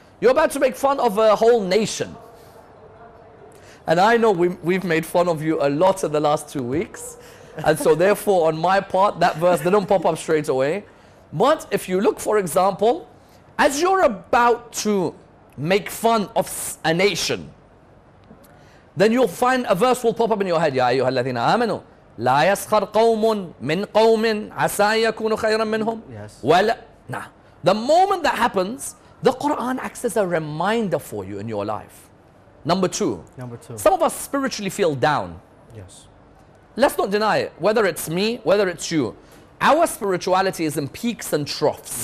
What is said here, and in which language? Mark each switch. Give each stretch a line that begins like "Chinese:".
English: You're about to make fun of a whole nation. And I know we've made fun of you a lot in the last 2 weeks. And so therefore, on my part, that verse didn't pop up straight away. But if you look, for example, as you're about to make fun of a nation, then you'll find a verse will pop up in your head.
Arabic: Ya ayyuha alladhina amanu. لا يسخر قوم من قوم عسى يكون خيرا منهم.
English: Yes. Well, nah. The moment that happens, the Quran acts as a reminder for you in your life. Number two. Some of us spiritually feel down. Yes. Let's not deny it. Whether it's me, whether it's you, our spirituality is in peaks and troughs.